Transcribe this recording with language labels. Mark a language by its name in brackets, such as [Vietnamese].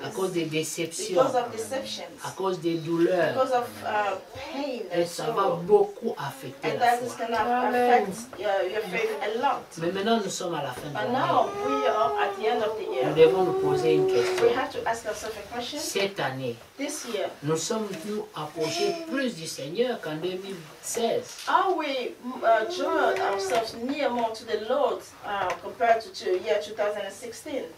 [French] À cause des déceptions. [English] Because of deceptions. [French] À cause des douleurs. [English] Because of pain. [French] Et ça va beaucoup affecter la foi. [English] And that is going to affect your faith a lot. [French] Mais maintenant nous sommes à la fin de l'année. [English] But now we are at the end of the year. [French] Nous devons nous poser une question. [English] We have to ask ourselves a question. [French] Cette année. [English] This year. [French] Nous sommes-nous approchés plus du Seigneur qu'en 2016. [English] Are we drawing ourselves near more to the Lord compared to the year 2016?